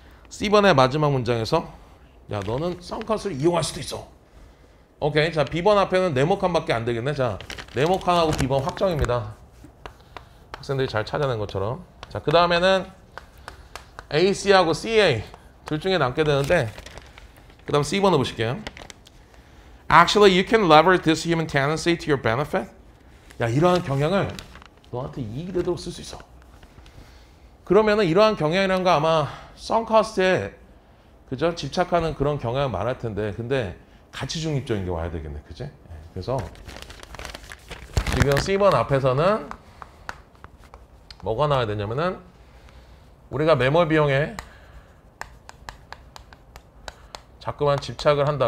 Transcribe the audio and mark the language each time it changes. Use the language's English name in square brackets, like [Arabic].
[Korean] C번의 마지막 문장에서 야, 너는 sunk cost를 이용할 수도 있어. 오케이. 자, 비번 앞에는 네모칸밖에 안 되겠네. 자, 네모칸하고 비번 확정입니다. 학생들이 잘 찾아낸 것처럼. 자, 그 다음에는 AC하고 CA 둘 중에 남게 되는데, 그 다음 C번을 보실게요. [English] Actually, you can leverage this human tendency to your benefit. [Korean] 야, 이러한 경향을 너한테 이익이 되도록 쓸 수 있어. 그러면은 이러한 경향이란 거 아마 선커스트에 그죠? 집착하는 그런 경향 말할 텐데, 근데 가치 중립적인 게 와야 되겠네, 그지? 그래서 지금 C번 앞에서는 뭐가 나와야 되냐면은 우리가 매몰 비용에 자꾸만 집착을 한다.